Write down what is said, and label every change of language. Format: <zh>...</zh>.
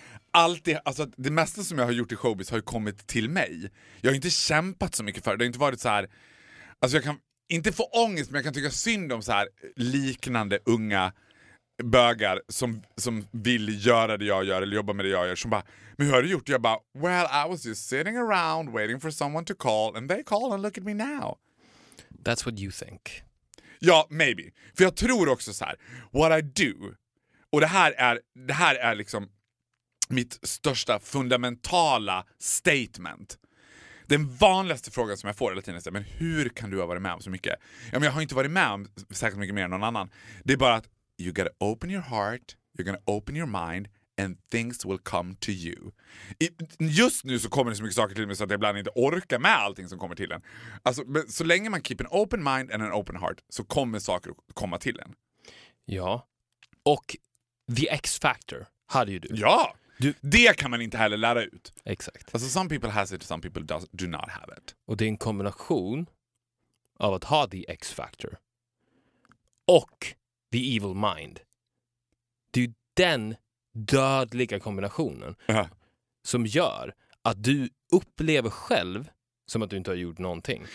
<sv>Alltid, alltså, det mesta som jag har gjort i showbiz har ju kommit till mig. Jag har inte kämpat så mycket för det. Det har inte varit så här. Alltså jag kan inte få ångest, men jag kan tycka synd om så här liknande unga bögar som vill göra det jag gör eller jobba med det jag gör, som bara, men hur har du gjort? Jag bara,</sv> <en>well, I was just sitting around waiting for someone to call and they call and look at me now. That's what you think. Ja, maybe.</en> <sv>För jag tror också så här,</sv> <en>what I do,</en> <sv>och det här är liksom mitt största fundamentala statement. Den vanligaste frågan som jag får hela tiden är, men hur kan du ha varit med om så mycket? Ja, men jag har inte varit med om särskilt mycket mer än någon annan. Det är bara att</sv> <en>you gotta open your heart, you're gonna open your mind, and things will come to you.</en> <sv>Just nu så kommer det så mycket saker till mig så att jag ibland inte orkar med allting som kommer till en. Alltså, men så länge man</sv> <en>keep an open mind and an open heart</en> <sv>så kommer saker att komma till en. Ja. Och the X-factor hade ju du. Ja! Du, det kan man inte heller lära ut. Exakt.</sv> <en>Alltså, some people has it, some people do not have it.</en> <sv>Och det är en kombination av att ha the X-factor och</sv> <en>the evil mind.</en> <sv>Det är den dödliga kombinationen som gör att du upplever själv som att du inte har gjort någonting.</sv>